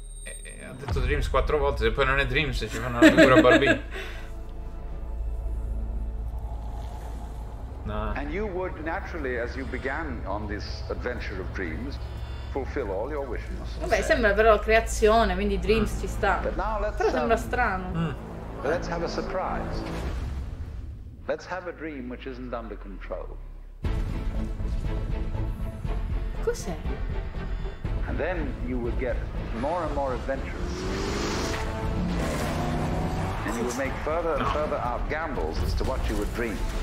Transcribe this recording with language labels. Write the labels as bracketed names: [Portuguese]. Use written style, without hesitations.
[Italian] Ha detto Dreams 4 volte, se poi non è Dreams ci fanno una figura Barbie. No. [English] And you would naturally, as you began on this adventure of dreams, fulfill all your wishes. [Italian] Vabbè, sembra però creazione, quindi Dreams ci sta. Però sembra strano. [English] Let's have a surprise. Let's have a dream which isn't under control. [Italian] Cos'è? [English] And then you would get more and more adventurous. And you would make further and further out gambles as to what you would dream.